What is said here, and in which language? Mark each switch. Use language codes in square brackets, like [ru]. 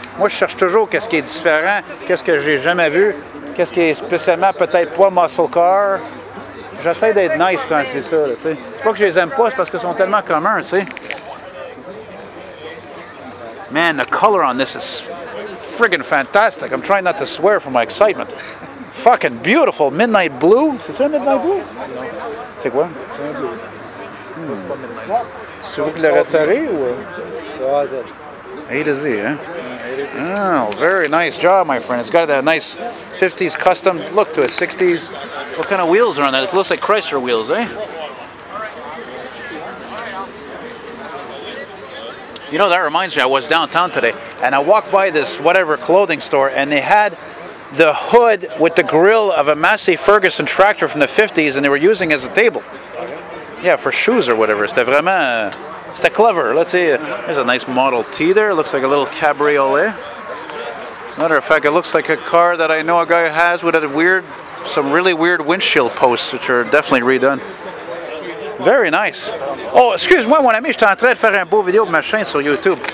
[fr] Moi, je cherche toujours qu'est-ce qui est différent, qu'est-ce que j'ai jamais vu, qu'est-ce qui est spécialement peut-être pas muscle car. J'essaie d'être nice quand je dis ça, tu sais. C'est pas que je les aime pas, c'est parce qu'ils sont tellement communs, tu sais. [en] Man, the color on this is friggin' fantastic. I'm trying not to swear from my excitement. Fucking beautiful. Midnight blue. [fr] C'est ça, [en] midnight blue? [fr] Non. C'est quoi? C'est un bleu. C'est vous qui le restaurez ou? [en] A to Z, [fr] hein? [en] Oh, very nice job, my friend. It's got that nice 50s custom look to it, 60s. What kind of wheels are on that? It looks like Chrysler wheels, eh? You know, that reminds me, I was downtown today, and I walked by this whatever clothing store, and they had the hood with the grill of a Massey Ferguson tractor from the 50s, and they were using it as a table. Yeah, for shoes or whatever. [fr] C'était vraiment... C'était [en] clever. Let's see. There's a nice Model T there. Looks like a little cabriolet. Matter of fact, it looks like a car that I know a guy has with a weird, some really weird windshield posts, which are definitely redone. Very nice. [fr] Oh, excuse-moi, mon ami, je suis en train de faire un beau vidéo de ma chaîne sur YouTube.